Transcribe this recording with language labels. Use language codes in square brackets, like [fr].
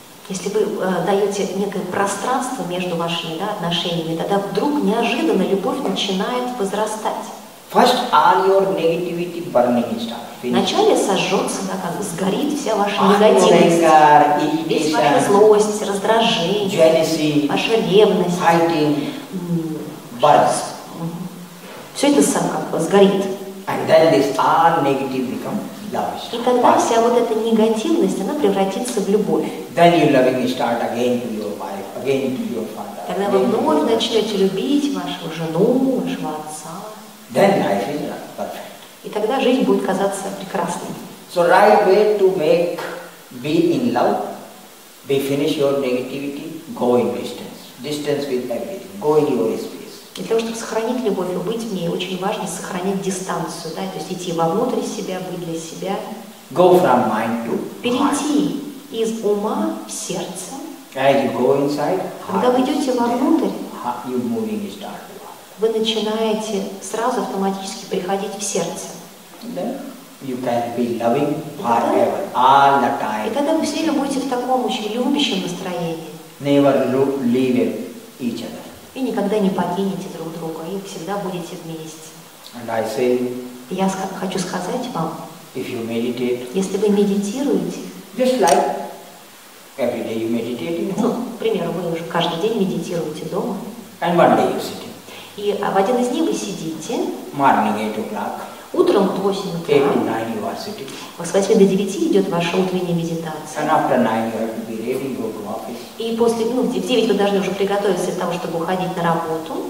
[ru] Если вы даете некое пространство между вашими, да, отношениями, тогда вдруг неожиданно любовь начинает возрастать. [en] First, all your negativity burning starts. [ru] Вначале сожжется, да, как бы сгорит вся ваша негативность. Весь ваша злость, раздражение, [en] jealousy, [ru] ваша ревность. [en] Fighting, burns. [ru] Все это сам как бы сгорит. [en] And then this all negative become. Love. [ru] И тогда вся вот эта негативность, она превратится в любовь. [en] Then you loving start again to your wife, again to your father. [ru] Тогда вы вновь начнете любить вашу жену, вашего отца. [en] Then life is perfect. [ru] И тогда жизнь будет казаться прекрасной. [en] So right way to make be in love, be finish your negativity, go in distance, distance with everything, go in your space. [ru] Для того, чтобы сохранить любовь и быть в ней, очень важно сохранять дистанцию, да, то есть идти вовнутрь себя, быть для себя. [en] Go from mind to heart. [ru] Перейти из ума в сердце. [en] As you go inside, heart. [ru] Когда вы идете вовнутрь, [en] you moving is dark. [ru] Вы начинаете сразу автоматически приходить в сердце. [en] You can be loving forever, all the time. [ru] И тогда вы все время будете в таком очень любящем настроении. [en] Never leave each other. [ru] И никогда не покинете друг друга, и всегда будете вместе. [en] And I say, [ru] я хочу сказать вам, [en] if you meditate, [ru] если вы медитируете, [en] just like every day you meditate, [ru] ну, к примеру, вы уже каждый день медитируете дома, [en] and one day you sit. [ru] И в один из дней вы сидите, [en] morning 8 o'clock, [ru] утром в 8 утра, [en] 8 to 9 you are sitting. [ru] С 8 до 9 идет ваша утренняя медитация. [en] And after 9 you have to be ready to go to office. [ru] И после, ну, в 9 вы должны уже приготовиться к тому, чтобы уходить на работу.